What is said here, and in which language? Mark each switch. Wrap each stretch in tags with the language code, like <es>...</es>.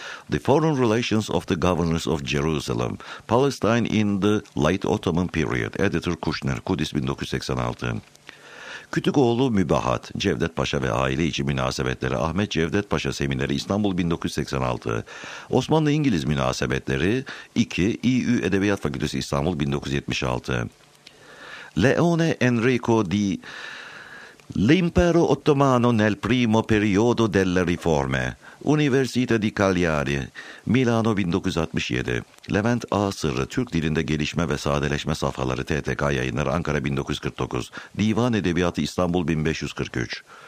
<en>The Foreign Relations of the Governors of Jerusalem, Palestine in the Late Ottoman Period, editor Kushner,</en> <tr>Kudüs</tr> <en>1986.</en> <tr>Kütükoğlu Mübahat, Cevdet Paşa ve Aile İçi Münasebetleri, Ahmet Cevdet Paşa Semineri, İstanbul 1986. Osmanlı-İngiliz Münasebetleri 2, İYÜ Edebiyat Fakültesi, İstanbul 1976.</tr> <it>Leone Enrico di L'Impero Ottomano nel Primo Periodo delle Riforme, Università di Cagliari, Milano 1967.</it> <tr>Levent A. Sırrı, Türk Dilinde Gelişme ve Sadeleşme Safhaları, TTK Yayınları, Ankara 1949. Divan Edebiyatı, İstanbul 1543.</tr>